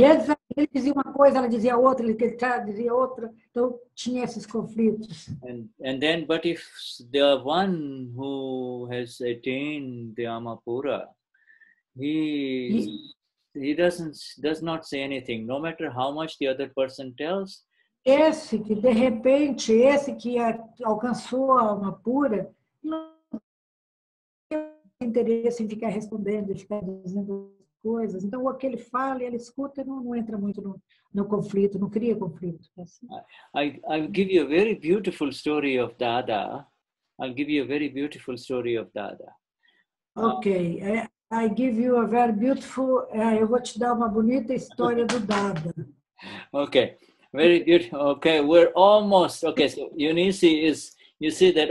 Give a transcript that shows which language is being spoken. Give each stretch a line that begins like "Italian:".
Portuguese: E ele dizia uma coisa, ela dizia outra, ele dizia outra. Então tinha esses conflitos.
English: But if the one who has attained the Amapura, he does not say anything, no matter how much the other person tells.
Portuguese: Esse que de repente, esse que alcançou a Amapura, não interesse em ficar respondendo, ficar dizendo coisas. Então, o que ele fala e ele escuta não entra muito no conflito, não cria conflito.
English: I'll give you a very beautiful story of Dada. I'll give you a very beautiful story of Dada. Okay. I give you a very beautiful...
Portuguese: Eu vou te dar uma bonita história do Dada.
English: Okay. Very good. Okay, we're almost. Okay, so Eunice is, you see that.